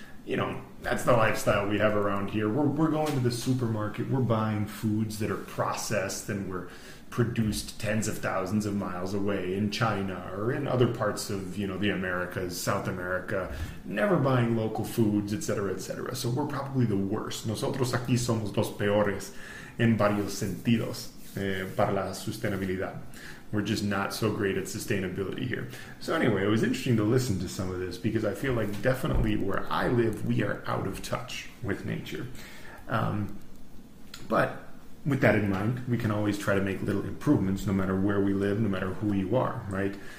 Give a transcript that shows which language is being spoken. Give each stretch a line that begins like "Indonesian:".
English: You know, that's the lifestyle we have around here. We're going to the supermarket. We're buying foods that are processed and we're produced tens of thousands of miles away in China or in other parts of, you know, the Americas, South America, never buying local foods, etc., etc. So we're probably the worst.
Spanish: Nosotros aquí somos los peores en varios sentidos para la sustentabilidad.
English: We're just not so great at sustainability here. So anyway, it was interesting to listen to some of this because I feel like definitely where I live, we are out of touch with nature. But with that in mind, we can always try to make little improvements no matter where we live, no matter who you are, right?